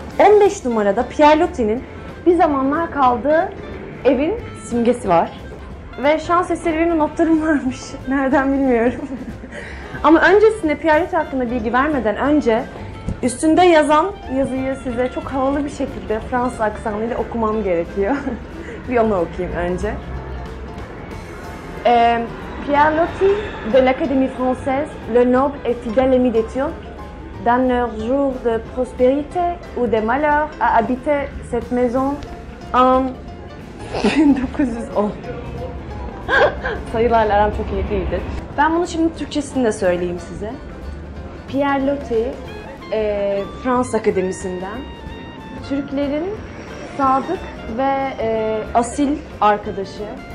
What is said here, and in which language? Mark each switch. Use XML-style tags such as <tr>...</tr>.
<tr>15 numarada Pierre Loti'nin bir zamanlar kaldığı evin simgesi var. Ve şans eseri benim notlarım varmış. Nereden bilmiyorum. Ama öncesinde Pierre Loti hakkında bilgi vermeden önce üstünde yazan yazıyı size çok havalı bir şekilde Fransız aksanıyla okumam gerekiyor. Bir onu okuyayım önce.</tr> <fr>Pierre Loti de l'Académie Française, le noble et fidèle ami des Turcs, dans leurs jours de prospérité ou de malheur, a habité cette maison en 1910.</fr> <tr>Sayılarla aram çok iyi değildir. Ben bunu şimdi Türkçesinde söyleyeyim size. Pierre Loti, Fransız Akademisi'nden, Türklerin sadık ve asil arkadaşı.</tr>